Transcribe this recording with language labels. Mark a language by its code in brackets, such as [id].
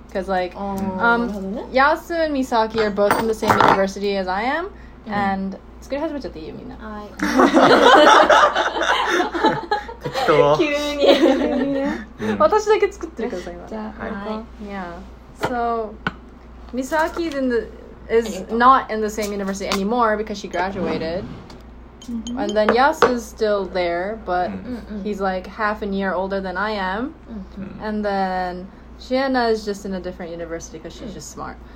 [en] Because like, Yasu and Misaki are both from the same university as I am. [ja] And, 作り始めちゃっていいよみんな。はい。適当。急に。私だけ作ってるからさ、今。じゃあ、 [en] はい。Yeah. So, Misaki is in the... is not in the same university anymore because she graduated. Mm-hmm. And then Yas is still there, but mm-hmm. he's like half a year older than I am. Mm-hmm. And then Shiana is just in a different university because she's just smart.